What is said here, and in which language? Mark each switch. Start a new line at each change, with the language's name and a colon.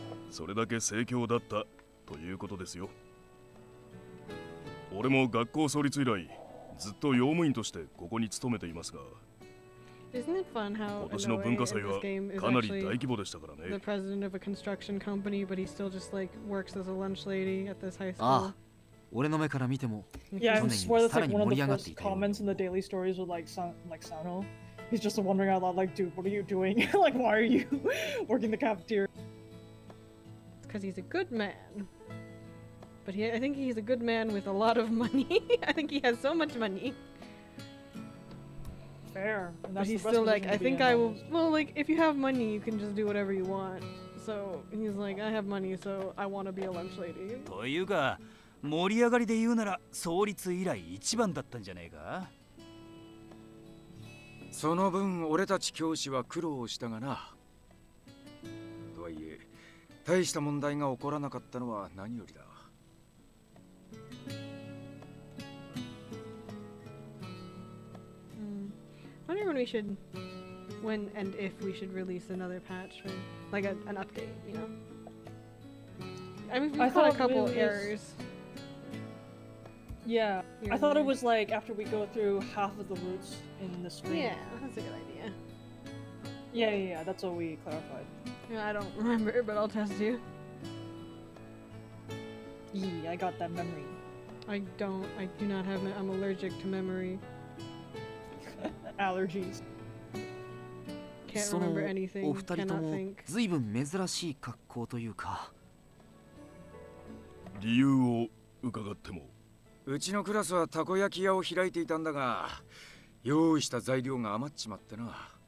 Japanese: それだけ盛況だったということですよ。俺も学校創立以来ずっと用務員としてここに勤めていますが、今年の文化祭はかなり大規模でしたからね。
English: The president of a construction company, but he still just like works as a lunch lady at this high school.
Japanese: ああ、俺の目から見ても、去年よりさらに盛り上がっていたよ。
English: Comments in the daily stories with like Sano, he's just wondering out loud, like, dude, what are you doing? Like, why are you working the cafeteria? It's because he's a good man. But he, I think he's a good man with a lot of money. I think he has so much money. Fair. But he's still like, I think I will... Well, like, if you have money, you can just do whatever you want. So he's like, I have money, so I want to be a lunch lady.
Japanese: というか、盛り上がりで言うなら創立以来一番だったんじゃねえか。その分、俺たち教師は苦労したがな。とはいえ、大した問題が起こらなかったのは何よりだ。
English: I wonder when we should, when and if we should release another patch, for, like an update, you know? I mean, we've caught a couple errors. Yeah, I thought it was like after we go through half of the routes in the screen. Yeah, that's a good idea. Yeah, that's all we clarified. Yeah, I don't remember, but I'll test you. Yeah, I got that memory. I do not have I'm allergic to memory. Allergies. Can't remember anything. Cannot think.
Japanese: そのお二人とも随分珍しい格好というか。理由を伺っても。うちのクラスはたこ焼き屋を開いていたんだが、用意した材料が余っちまってな。